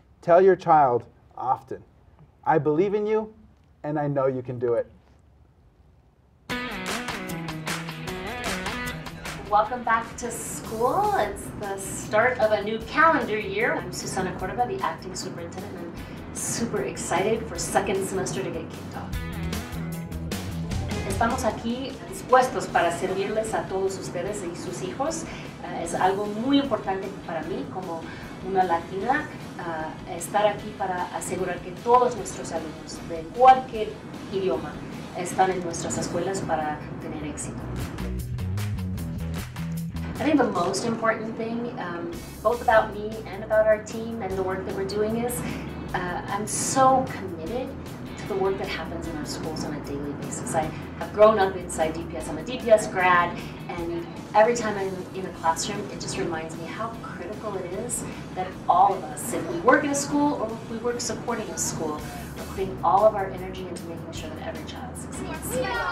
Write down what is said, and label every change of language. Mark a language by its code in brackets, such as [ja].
[en] Tell your child often, I believe in you, and I know you can do it. Welcome back to school. It's the start of a new calendar year. I'm Susana Cordova, the acting superintendent, and super excited for second semester to get kicked off. [es] Estamos aquí dispuestos para servirles a todos ustedes y sus hijos. Es algo muy importante para mí como una latina estar aquí para asegurar que todos nuestros alumnos de cualquier idioma están en nuestras escuelas para tener éxito. [en] I think the most important thing, both about me and about our team and the work that we're doing is, I'm so committed to the work that happens in our schools on a daily basis. I have grown up inside DPS. I'm a DPS grad, and every time I'm in a classroom, it just reminds me how critical it is that all of us, if we work in a school or if we work supporting a school, are putting all of our energy into making sure that every child succeeds.